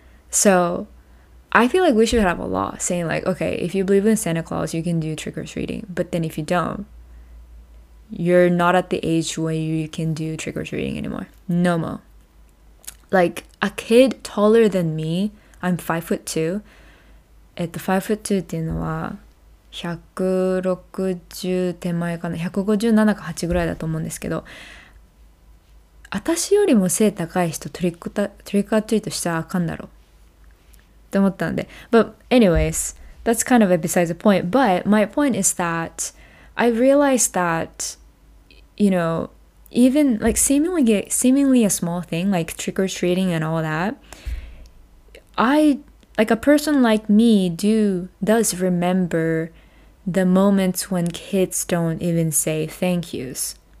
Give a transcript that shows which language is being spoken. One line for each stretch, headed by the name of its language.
English: So I feel like we should have a law saying, like, okay, if you believe in Santa Claus, you can do trick-or-treating. But then if you don't,You're not at the age where you can do trick-or-treating anymore. No mo. Like, a kid taller than me, I'm 5'2".
Japanese: 5'2 っていうのは160手前かな。 157か8ぐらいだと思うんですけど、私よりも背高い人トリックアトリートしたらあかんだろう。って思ったんで。
English: But anyways, that's kind of a besides the point. But my point is that I realized that,You know, even, like, seemingly a small thing, like trick-or-treating and all that, a person like me does remember the moments when kids don't even say thank yous.